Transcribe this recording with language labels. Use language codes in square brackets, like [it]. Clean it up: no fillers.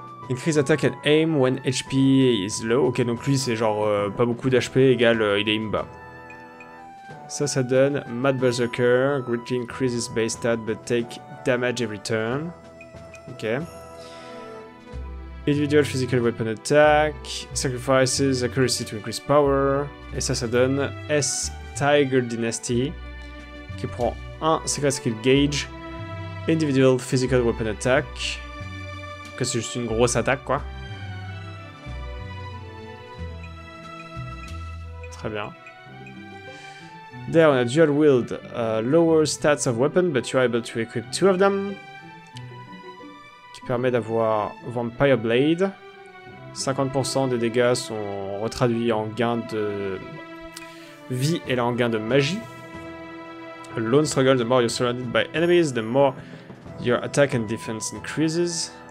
[en] Increase attack and aim when HP is low. [fr] Ok, donc lui, c'est genre pas beaucoup d'HP égale il est imba. Ça, ça donne [en] Mad Berserker, greatly increases base stat but take damage every turn. Ok. Individual physical weapon attack, sacrifices accuracy to increase power, [fr] et ça donne [en] S Tiger Dynasty, [fr] qui prend [en] 1 secret skill gauge, individual physical weapon attack, [fr] que c'est juste une grosse attaque quoi. Très bien. [en] There on a dual wield, lower stats of weapon, but you are able to equip two of them. [fr] Permet d'avoir Vampire Blade. 50% des dégâts sont retraduits en gain de vie et là en gain de magie. [en] A lone struggle, the more you're surrounded by enemies, the more your attack and defense increases.